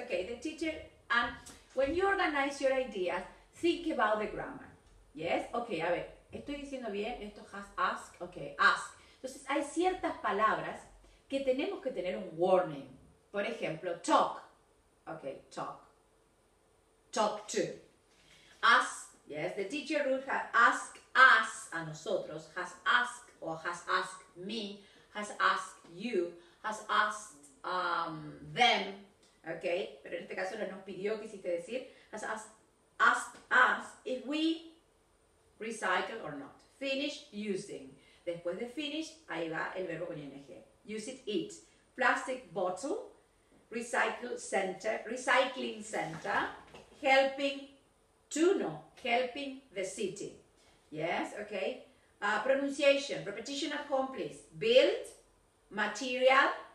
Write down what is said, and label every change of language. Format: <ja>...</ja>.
<en>Okay, the teacher, and when you organize your ideas, think about the grammar, yes?</en> <es>Okay, a ver, ¿estoy diciendo bien? Esto</es> <en>has ask, okay, ask.</en> <es>Entonces, hay ciertas palabras que tenemos que tener un warning. Por ejemplo,</es> <en>talk, okay, talk. Talk to. Ask, yes, the teacher would have asked us,</en> <es>a nosotros,</es> <en>has asked, or has asked me, has asked you, has asked, them, okay,</en> <es>pero en este caso no nos pidió, quisiste decir,</es> <en>has asked us if we recycle or not. Finish using.</en> <es>Después de finish, ahí va el verbo con ing.</es> <en>Use it, eat. Plastic bottle, recycle center, recycling center, helping to, no, helping the city. Yes, okay. Pronunciation, repetition accomplished. Build, material.</en>